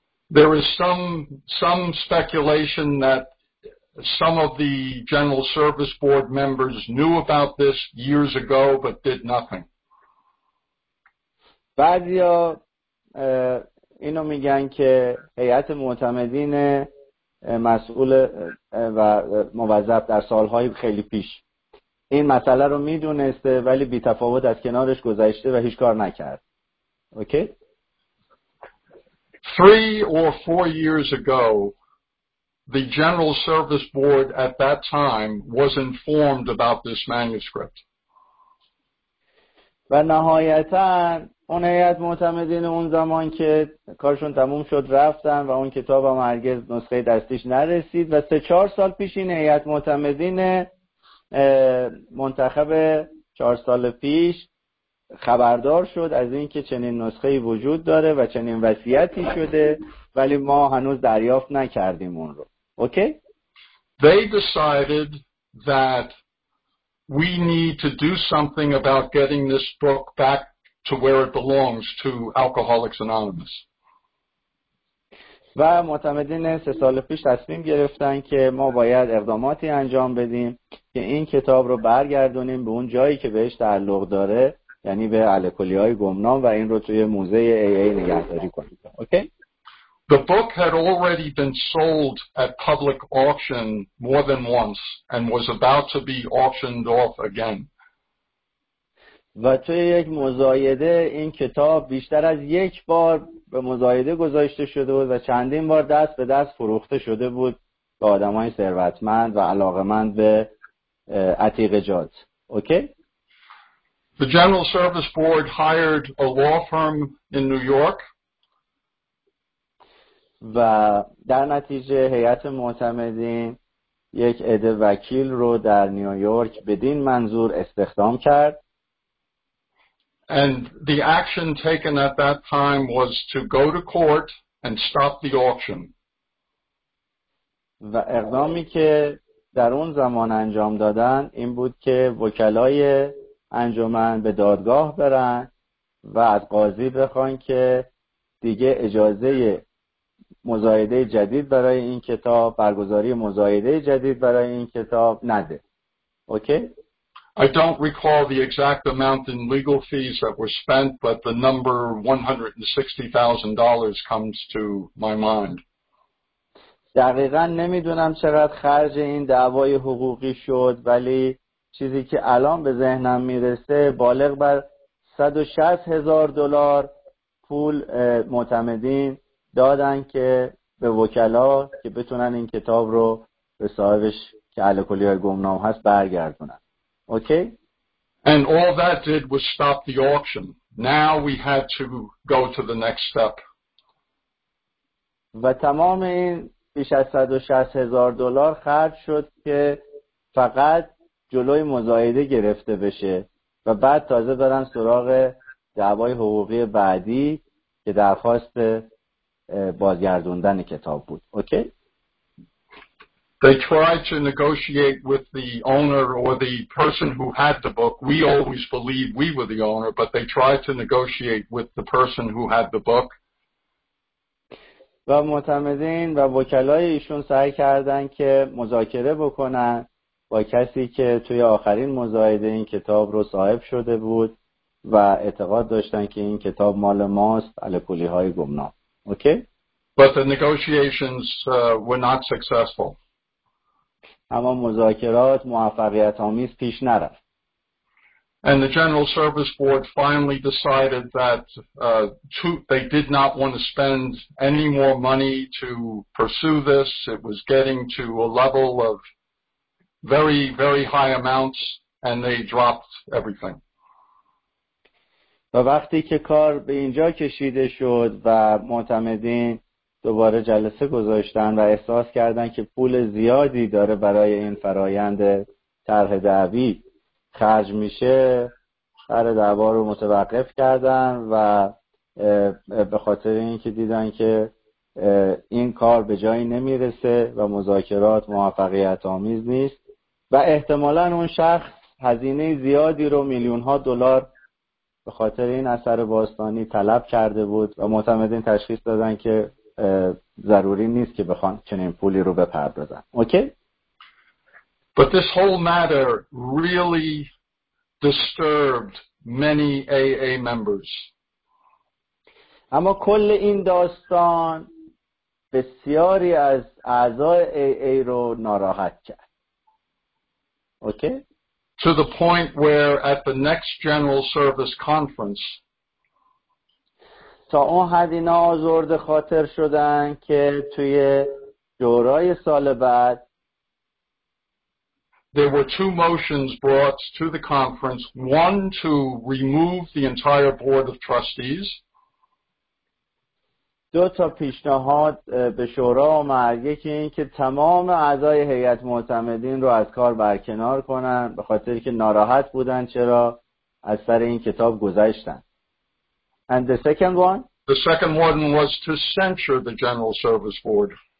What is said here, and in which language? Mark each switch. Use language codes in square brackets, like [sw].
[en] There is some speculation that some of the General Service Board members knew about this years ago but did nothing. [fa] بعضیا اینو میگن که هیئت معتمدین مسئول و موظف در سالهای خیلی پیش این مسئله رو میدونسته ولی بی تفاوت از کنارش گذشته و هیچ کار نکرد. اوکی؟ [en] Three or four years ago, the General Service Board at that time was informed about this manuscript. [fa] و نهایتاً اون هیئت معتمدین اون زمان که کارشون تموم شد رفتن و اون کتاب هم هرگز نسخه دستیش نرسید و 3-4 سال پیش این هیئت معتمدین منتخب 4 سال پیش خبردار شد از این که چنین نسخه‌ای وجود داره و چنین وصیتی شده ولی ما هنوز دریافت نکردیم اون رو. اوکی؟ [en] They decided that we need to do something about getting this book back to where it belongs to Alcoholics Anonymous. [fa] و معتمدین 3 سال پیش تصمیم گرفتن که ما باید اقداماتی انجام بدیم که این کتاب رو برگردونیم به اون جایی که بهش تعلق داره یعنی به الکلی‌های گمنام و این رو توی موزه AA نگهداری کنید. اوکی؟ [en] The book had already been sold at public auction more than once and was about to be auctioned off again. [fa] و توی یک مزایده این کتاب بیشتر از یک بار به مزایده گذاشته شده بود و چندین بار دست به دست فروخته شده بود به آدمای ثروتمند و علاقمند به عتیقه‌جات. اوکی؟ [en] The General Service Board hired a law firm in New York. [fa] و در نتیجه هیئت معتمدین یک عده وکیل رو در نیویورک بدین منظور استخدام کرد. [en] And the action taken at that time was to go to court and stop the auction. [fa] و اقدامی که در اون زمان انجام دادن این بود که وکلای انجمن به دادگاه برن و از قاضی بخوان که دیگه اجازه مزایده جدید برای این کتاب برگزاری مزایده جدید برای این کتاب نده. اوکی؟ [en] I don't recall the exact amount in legal fees that were spent but the number $160,000 comes to my mind. [fa] دقیقاً نمیدونم چقدر خرج این دعوای حقوقی شد ولی چیزی که الان به ذهنم میرسه بالغ بر $160,000 پول معتمدین دادن که به وکلا که بتونن این کتاب رو به صاحبش که الکلی‌های گمنام هست برگردونن. اوکی؟ [en] And all that did was stop the auction. Now we had to go to the next step. [fa] و تمام این بیش از $160,000 خرج شد که فقط جلوی مزایده گرفته بشه و بعد تازه برن سراغ دعوای حقوقی بعدی که درخواست بازگردوندن کتاب بود. اوکی؟ [en] They tried to negotiate with the owner or the person who had the book. We always believed we were the owner, but they tried to negotiate with the person who had the book. [fa] و معتمدین و وکلای ایشون سعی کردن که مذاکره بکنن با کسی که توی آخرین مزایده این کتاب رو صاحب شده بود و اعتقاد داشتن که این کتاب مال ماست الکلی‌های گمنام. اوکی؟ [en] But the negotiations were not successful. [fa] اما مذاکرات موفقیت‌آمیز پیش نرفت. [en] And the General Service Board finally decided that they did not want to spend any more money to pursue this. It was getting to a level of very, very high amounts, and they dropped everything. [fa] و وقتی که کار به اینجا کشیده شد و معتمدین دوباره جلسه گذاشتن و احساس کردن که پول زیادی داره برای این فرایند طرح دعوی خرج میشه، سر دعوا رو متوقف کردن و به خاطر اینکه دیدن که این کار به جایی نمیرسه و مذاکرات موفقیت آمیز نیست و احتمالاً اون شخص هزینه زیادی رو میلیون ها دلار به خاطر این اثر باستانی طلب کرده بود و معتمدین تشخیص دادن که ضروری نیست که بخوان چنین پولی رو بپردازن. اوکی؟ [en] But this whole matter really disturbed many AA members. [fa] اما کل این داستان بسیاری از اعضای AA رو ناراحت کرد. اوکی؟ [en] To the point where at the next General Service Conference [fa] تا اون حد اینا آزرده خاطر شدن که توی دورای سال بعد [en] There were two motions brought to the conference, one to remove the entire board of trustees. [fa] دو تا پیشنهاد به شورا آمد، یکی این که تمام اعضای هیئت معتمدین رو از کار برکنار کنن به خاطر که ناراحت بودن چرا از سر این کتاب گذشتن. [en] And the second one? The second one was to censure the General Service Board.